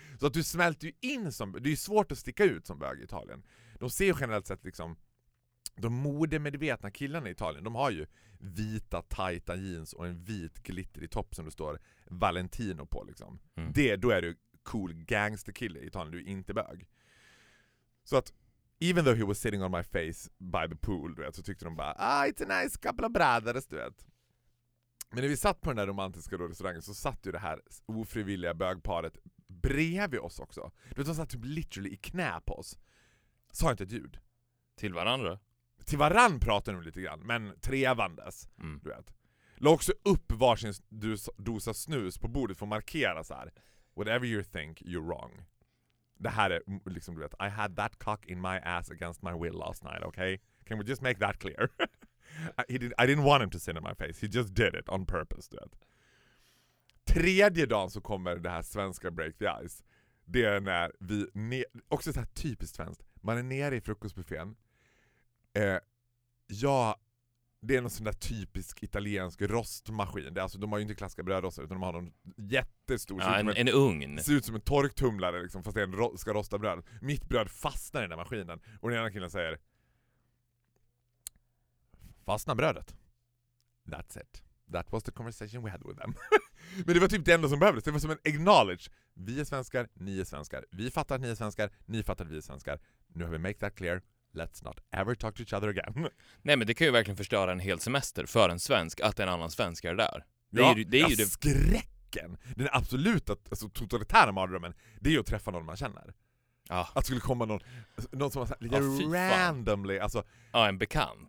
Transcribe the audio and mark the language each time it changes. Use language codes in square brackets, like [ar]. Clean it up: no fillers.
[sv] Så att du smälter ju in som, det är ju svårt att sticka ut som bög i Italien. De ser ju generellt sett liksom, de modemedvetna killarna i Italien, de har ju vita tajta jeans och en vit glitter i topp som det står Valentino på liksom. Mm. Då är du cool gangster kille i Italien, du är inte bög. Så att, [en] even though he was sitting on my face by the pool, [sv] du vet, så tyckte de bara, [en] ah, it's a nice couple of brothers, du vet. [sv] Men när vi satt på den där romantiska då restaurangen, så satt ju det här ofrivilliga bögparet bredvid oss också. De satt typ literally i knä på oss. Sa inte ett ljud. Till varandra? Till varann pratar de lite grann, men trevandes. Mm. Du vet. Låg också upp varsin dosa snus på bordet för att markera så här. [en] Whatever you think, you're wrong. [sv] Det här är liksom, du vet, [en] I had that cock in my ass against my will last night, okay? Can we just make that clear? I didn't want him to sit in my face. He just did it on purpose, du vet. [sv] Tredje dagen så kommer det här svenska break the ice. Det är när vi, också så här typiskt svenskt, man är nere i frukostbuffén. Ja, det är någon sån där typisk italiensk rostmaskin. Det är alltså, de har ju inte klassiska brödrostar, utan de har någon jättestor. Ja, en ugn. Ser ut som en torktumlare, liksom, fast det är en ska rosta bröd. Mitt bröd fastnar i den där maskinen. Och den andra killen säger, fastna brödet. [en] That's it. That was the conversation we had with them. [sv] Men det var typ det enda som behövdes. Det var som en acknowledge. Vi är svenskar, ni är svenskar. Vi fattar att ni är svenskar, ni fattar att vi är svenskar. Nu har vi [en] make that clear. Let's not ever talk to each other again. [sv] Nej, men det kan ju verkligen förstöra en hel semester för en svensk att en annan svensk är där. Det ja, är ju, det är ja, ju det. Skräcken. Den absoluta, alltså, totalitära mardrömmen, det är ju att träffa någon man känner. Ja. Att skulle komma någon som var såhär, ja, randomly. Alltså, ja, en bekant.